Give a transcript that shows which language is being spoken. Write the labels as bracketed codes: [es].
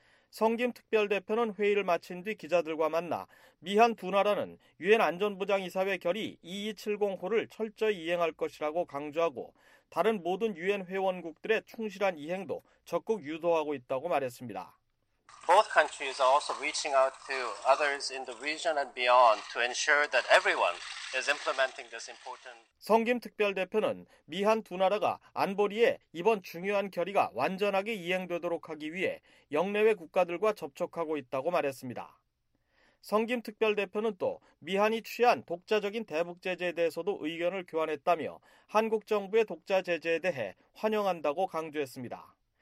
[ko] 성김 특별대표는 회의를 마친 뒤 기자들과 만나 미한 두 나라는 유엔 안전보장이사회 결의 2270호를 철저히 이행할 것이라고 강조하고 다른 모든 유엔 회원국들의 충실한 이행도 적극 유도하고 있다고 말했습니다. [en] Both countries are also reaching out to others in the region and beyond to ensure that everyone is implementing this important. [ko] 성김 특별대표는 미한 두 나라가 안보리에 이번 중요한 결의가 완전하게 이행되도록 하기 위해 영내외 국가들과 접촉하고 있다고 말했습니다. 성김 특별대표는 또 미한이 취한 독자적인 대북 제재에 대해서도 의견을 교환했다며 한국 정부의 독자 제재에 대해 환영한다고 강조했습니다.